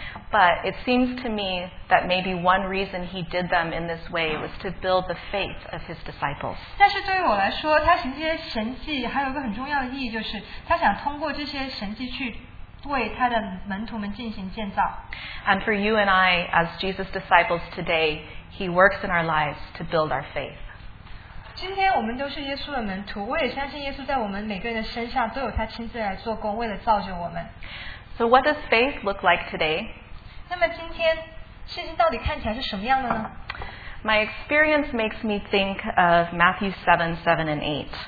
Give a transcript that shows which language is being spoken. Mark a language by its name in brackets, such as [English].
[English] But it seems to me that maybe one reason he did them in this way was to build the faith of his disciples. [Chinese] 但是对于我来说, 他行这些神迹还有一个很重要的意义就是他想通过这些神迹去为他的门徒们进行建造。 [English] And for you and I, as Jesus' disciples today, he works in our lives to build our faith. [Chinese] 今天我们都是耶稣的门徒，我也相信耶稣在我们每个人的身上都有他亲自来做工，为了造就我们。 [English] So what does faith look like today? [Chinese] 那么今天信心到底看起来是什么样的呢？ [English] My experience makes me think of Matthew 7, 7 and 8.